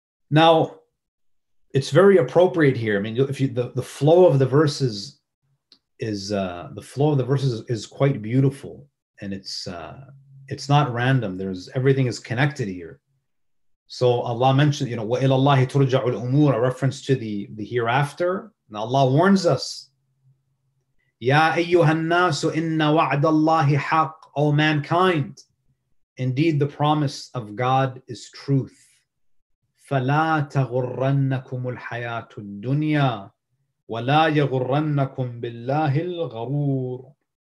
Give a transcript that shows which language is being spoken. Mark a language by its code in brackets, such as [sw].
[en] Now, it's very appropriate here. I mean, the flow of the verses is quite beautiful, and it's not random. Everything is connected here. So Allah mentioned, you know, [ar] وَإِلَى اللَّهِ تُرْجَعُ الْأُمُورِ, [en] a reference to the hereafter. Now Allah warns us, [ar] يَا أَيُّهَا النَّاسُ إِنَّ وَعْدَ اللَّهِ حَقٌّ. [en] All mankind, indeed the promise of God is truth. [ar] فَلَا تَغُرَّنَّكُمُ الْحَيَاةُ الدُّنْيَا وَلَا يَغُرَّنَّكُمْ بِاللَّهِ الْغَرُورِ.